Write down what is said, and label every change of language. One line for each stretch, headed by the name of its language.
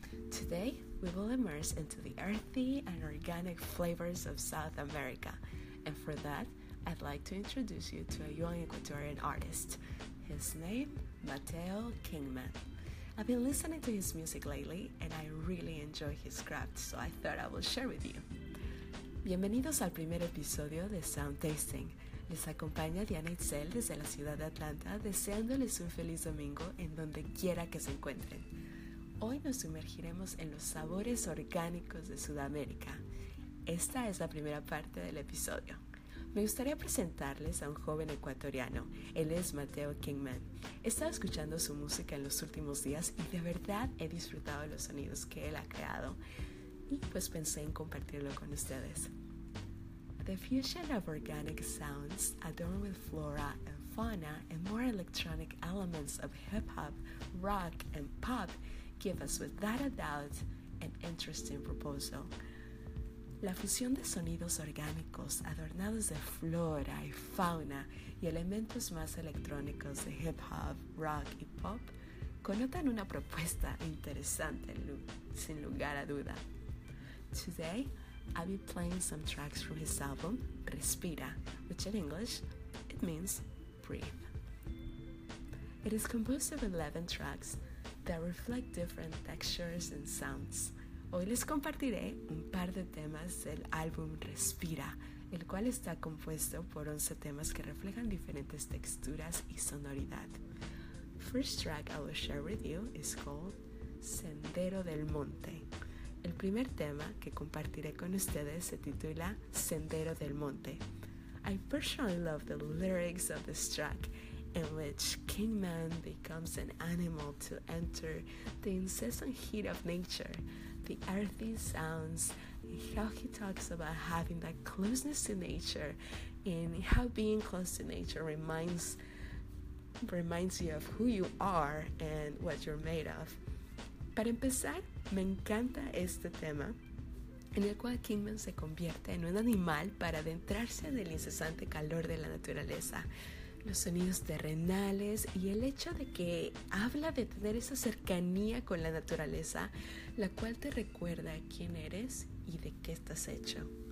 English: Today, we will immerse into the earthy and organic flavors of South America. And for that, I'd like to introduce you to a young Ecuadorian artist. His name, Mateo Kingman. I've been listening to his music lately, and I really enjoy his craft, so I thought I would share with you.
Spanish: Bienvenidos al primer episodio de Sound Tasting. Les acompaña Diana Itzel desde la ciudad de Atlanta, deseándoles un feliz domingo en donde quiera que se encuentren. Hoy nos sumergiremos en los sabores orgánicos de Sudamérica. Esta es la primera parte del episodio. Me gustaría presentarles a un joven ecuatoriano. Él es Mateo Kingman. He estado escuchando su música en los últimos días y de verdad he disfrutado los sonidos que él ha creado. Y pues pensé en compartirlo con ustedes.
English: The fusion of organic sounds adorned with flora and fauna and more electronic elements of hip-hop, rock and pop give us without a doubt an interesting proposal.
Spanish: La fusión de sonidos orgánicos adornados de flora y fauna y elementos más electrónicos de hip hop, rock y pop connotan una propuesta interesante, sin lugar a duda.
English: Today, I'll be playing some tracks from his album, Respira, which in English, it means breathe. It is composed of 11 tracks that reflect different textures and sounds.
Spanish: Hoy les compartiré un par de temas del álbum Respira, el cual está compuesto por 11 temas que reflejan diferentes texturas y sonoridad.
English: First track I will share with you is called Sendero del Monte.
Spanish: El primer tema que compartiré con ustedes se titula Sendero del Monte.
English: I personally love the lyrics of this track, in which Kingman becomes an animal to enter the incessant heat of nature, the earthy sounds, and how he talks about having that closeness to nature and how being close to nature reminds you of who you are and what you're made of.
Spanish: Para empezar, me encanta este tema, en el cual Kingman se convierte en un animal para adentrarse en el incesante calor de la naturaleza. Los sonidos terrenales y el hecho de que habla de tener esa cercanía con la naturaleza, la cual te recuerda quién eres y de qué estás hecho.